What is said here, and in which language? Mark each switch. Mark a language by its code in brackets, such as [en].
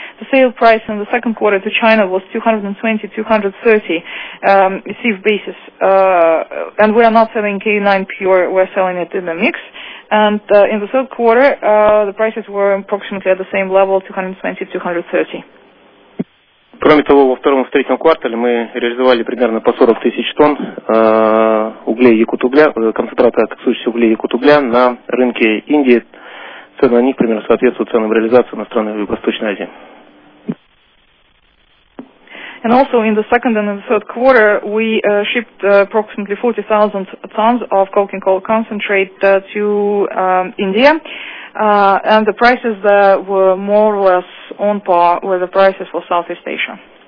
[en] The sale price in the second quarter to China was 220-230 CIF basis. And we are not selling K9 pure, we're selling it in the mix. And in the third quarter, the prices were approximately at the same level, 220-230. [ru] Кроме того, во втором и третьем квартале мы реализовали примерно по 40 тысяч тонн углей якут-угля, концентрата коксующихся углей якут-угля на рынке Индии. Цены на них примерно соответствуют ценам реализации на страны Восточной Азии. [en] And also in the second and in the third quarter, we shipped approximately 40,000 tons of coking coal concentrate to India. And the prices there were more or less on par with the prices for Southeast Asia.